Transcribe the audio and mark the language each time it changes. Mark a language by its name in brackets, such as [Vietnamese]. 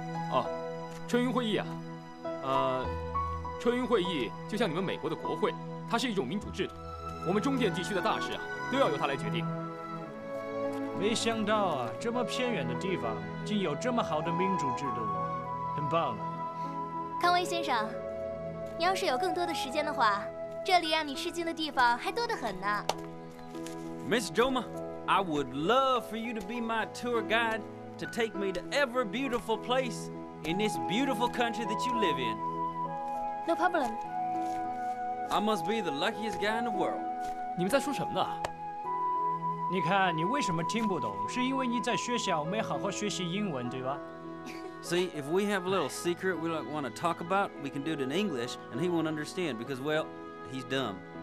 [Chinese] 哦，春运会议啊，春运会议就像你们美国的国会，它是一种民主制度，我们中甸地区的大事啊都要由它来决定。没想到啊，这么偏远的地方竟有这么好的民主制度，很棒啊。康威先生，你要是有更多的时间的话，这里让你吃惊的地方还多得很呢。 [English] Miss Joma, I would love for you to be my tour guide to take me to every beautiful place in this beautiful country that you live in. No problem. I must be the luckiest guy in the world. [Chinese] 你们在说什么呢？你看你为什么听不懂，是因为你在学校没好好学习英文，对吧？ [English] See, if we have a little secret we like want to talk about, we can do it in English and he won't understand because, well,He's dumb.